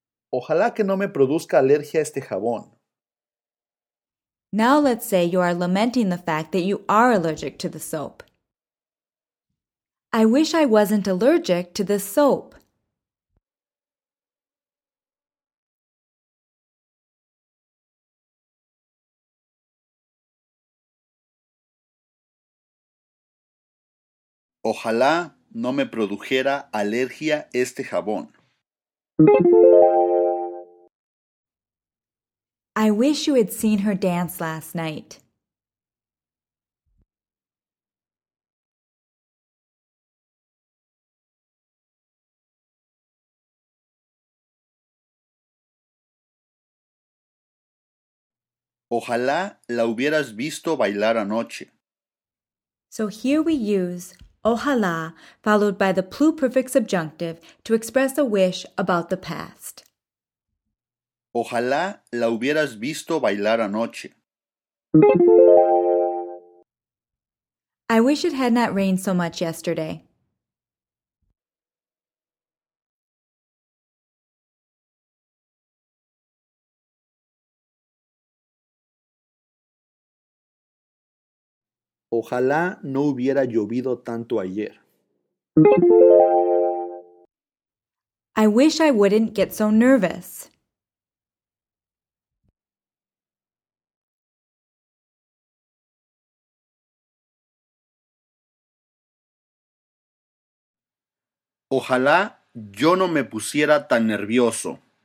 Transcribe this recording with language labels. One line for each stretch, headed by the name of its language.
Spanish: Ojalá que no me produzca alergia a este jabón.
English: Now let's say you are lamenting the fact that you are allergic to the soap. I wish I wasn't allergic to this soap.
Spanish: Ojalá no me produjera alergia este jabón.
English: I wish you had seen her dance last night.
Spanish: Ojalá la hubieras visto bailar anoche.
English: So here we use ojalá, followed by the pluperfect subjunctive to express a wish about the past.
Spanish: Ojalá la hubieras visto bailar anoche.
English: I wish it had not rained so much yesterday.
Spanish: Ojalá no hubiera llovido tanto ayer.
English: I wish I wouldn't get so nervous.
Spanish: Ojalá yo no me pusiera tan nervioso.